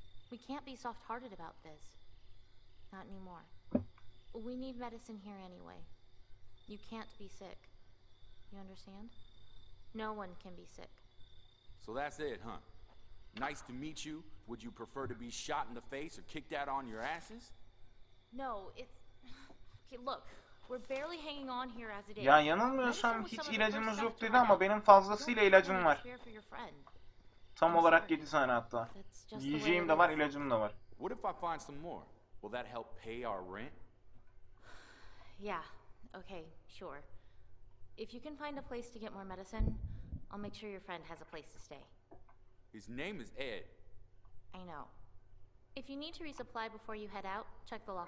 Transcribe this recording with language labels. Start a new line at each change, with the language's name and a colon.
English: We can't be soft-hearted about this. Not anymore. We need medicine here anyway. You can't be sick. You understand? No one can be sick. So that's it, huh? Nice to meet you. Would you prefer to be shot in the face or kicked out on your asses? No, it's... Okay, look. We're barely hanging on here as it is.
Turkish: Ya yanılmıyorsam hiç ilacımız yok dedi ama benim fazlasıyla ilacım var. Tam olarak 7 tane hatta. Yiyeceğim de var, ilacım da var.
English: What if I find some more? Will that help pay our rent? Yeah, okay, sure. If you can find a place to get more medicine, I'll make sure your friend has a place to stay. His name is Ed. I know. If you need to resupply before you head out, check the locker.